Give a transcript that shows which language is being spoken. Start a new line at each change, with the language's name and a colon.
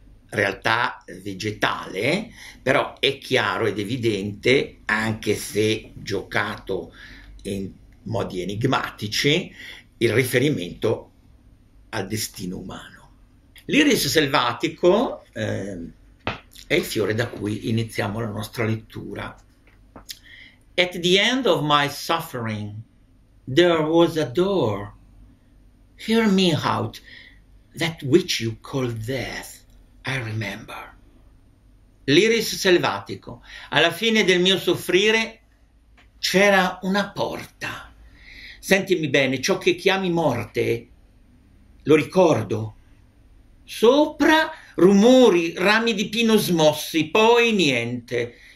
Italian: realtà vegetale, però è chiaro ed evidente, anche se giocato in modi enigmatici, il riferimento al destino umano. L'iris selvatico, è il fiore da cui iniziamo la nostra lettura.
English: At the end of my suffering, there was a door. Hear me out, that which you call death, I remember.
Italian: L'iris selvatico, alla fine del mio soffrire c'era una porta. Sentimi bene, ciò che chiami morte, lo ricordo. Sopra rumori, rami di pino smossi, poi niente.